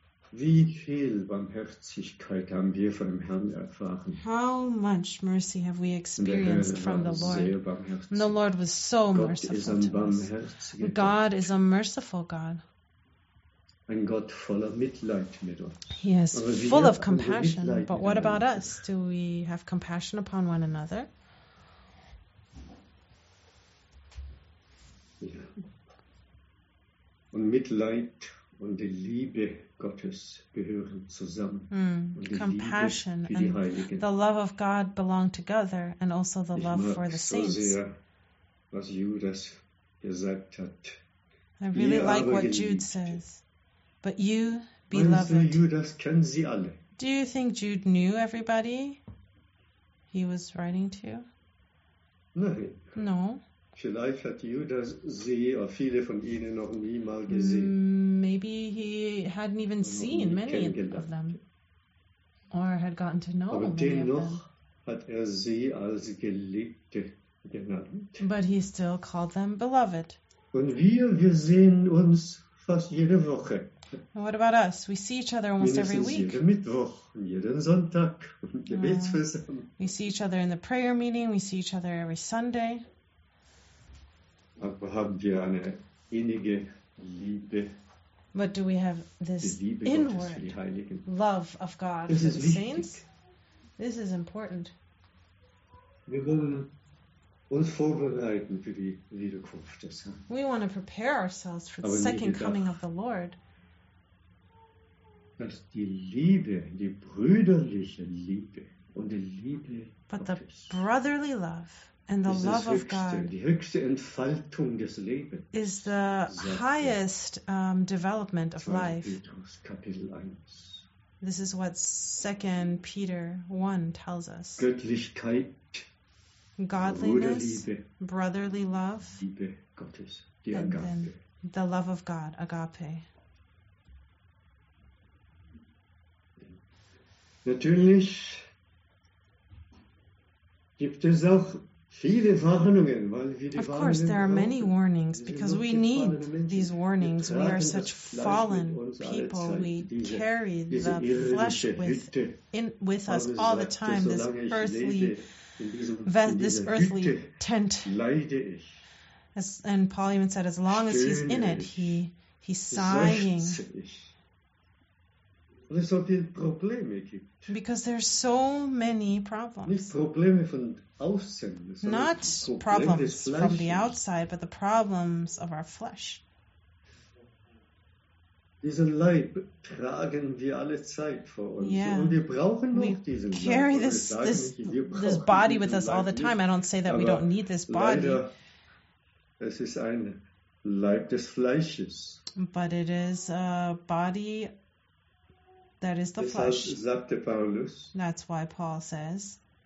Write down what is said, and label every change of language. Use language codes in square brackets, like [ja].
[de] Wie viel Barmherzigkeit haben wir von dem Herrn erfahren? [en] How much mercy have we experienced from the Lord? And the Lord was so merciful to us. God is a merciful God. [de] Ein Gott voller Mitleid mit uns. [en] He is full of compassion. But what about us? Do we have compassion upon one another? [de] Ja. Und Mitleid und die Liebe Gottes gehören zusammen. [en] Compassion and the love of God belong together, and also the love for the saints. [de] Ich mag so sehr, was Judas gesagt hat. [en] I really like what Jude says. But you, beloved, [de] Judas, kennen Sie alle? [en] Do you think Jude knew everybody he was writing to? [de] Nein. [en] No. [de] Vielleicht hat Judas sie oder viele von ihnen noch nie mal gesehen. [en] Maybe he hadn't even seen many of them. Or had gotten to know [de] aber [en] many [de] dennoch [en] of them. [de] Dennoch hat sie als Geliebte genannt. [en] But he still called them beloved. [de] Und wir sehen uns fast jede Woche. [en] And what about us? We see each other almost every week. [de] Jeden Mittwoch, jeden Sonntag, [en] We see each other in the prayer meeting. We see each other every Sunday. [de] Aber haben wir eine innige Liebe? [en] But do we have this inward love of God for the saints? This is important. [de] Wir wollen uns vorbereiten für die Wiederkunft des Herrn. [en] We want to prepare ourselves for the second coming of the Lord. [de] Dass die Liebe, die brüderliche Liebe und die Liebe [en] But the brotherly love and the love of God [de] die höchste Entfaltung des Lebens [en] is the highest development of life. This is what 2 Peter 1 tells us. [de] Göttlichkeit, [en] godliness, brotherly love, [de] Liebe Gottes, die Agape. [en] And then the love of God, agape. [de] Natürlich gibt es auch viele Warnungen, weil wir die [en] of course, there are many warnings because we need these warnings. We are such fallen people. We carry the flesh with us all the time, this earthly, this earthly tent. And Paul even said, as long as he's in it, he's sighing. [de] Weil es so viele Probleme gibt. [en] Because there are so many problems. [de] Nicht Probleme von außen, [en] not problems from the outside, but the problems of our flesh. [de] Diesen Leib tragen wir alle Zeit vor uns. [en] Yeah. [de] Und wir brauchen noch diesen Leib. [en] We carry this body with us all the time. I don't say that [de] aber [en] we don't need this body. [de] Leider, es ist ein Leib des Fleisches. [en] But it is a body that is the flesh. That's why Paul says,